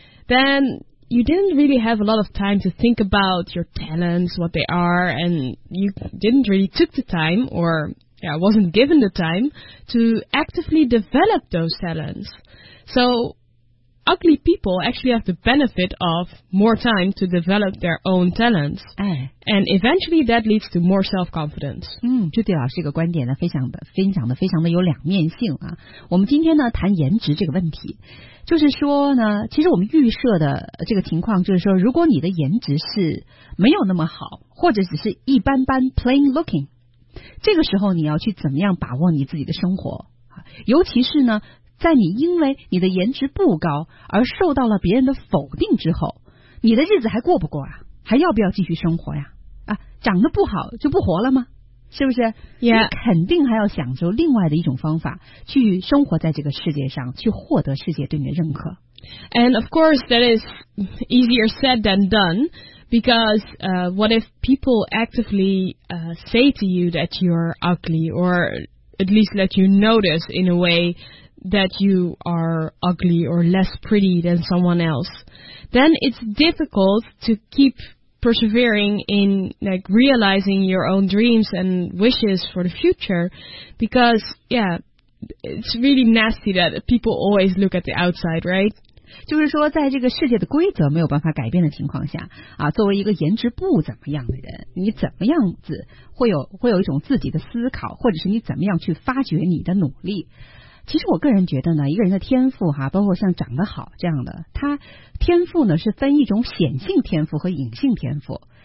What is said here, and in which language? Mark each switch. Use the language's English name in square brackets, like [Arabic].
[English] Then you didn't really have a lot of time to think about your talents, what they are, and you didn't really took the time, or yeah, wasn't given the time, to actively develop those talents. So... Ugly people actually have the benefit of more time to develop their own talents. And eventually that leads to more self-confidence. [Chinese] 朱迪老师这个观点呢，非常的有两面性啊。我们今天呢，谈颜值这个问题。就是说呢，其实我们预设的这个情况就是说，如果你的颜值是没有那么好，或者只是一般般 [English] plain looking, [Chinese] 这个时候你要去怎么样把握你自己的生活。尤其是呢，在你因为你的颜值不高而受到了别人的否定之后，你的日子还过不过啊？还要不要继续生活呀？啊，长得不好就不活了吗？是不是？ [English] Yeah. [Chinese] 你肯定还要享受另外的一种方法去生活在这个世界上，去获得世界对你的认可。 [English] And of course, that is easier said than done, because what if people actively say to you that you're ugly, or at least let you notice in a way? That you are ugly or less pretty than someone else, then it's difficult to keep persevering in like realizing your own dreams and wishes for the future, because yeah, it's really nasty that people always look at the outside, right? [Chinese] 就是说在这个世界的规则没有办法改变的情况下啊，作为一个颜值不怎么样的人，你怎么样子会有一种自己的思考，或者是你怎么样去发掘你的努力。其实我个人觉得呢，一个人的天赋哈，包括像长得好这样的，他天赋呢是分一种显性天赋和隐性天赋。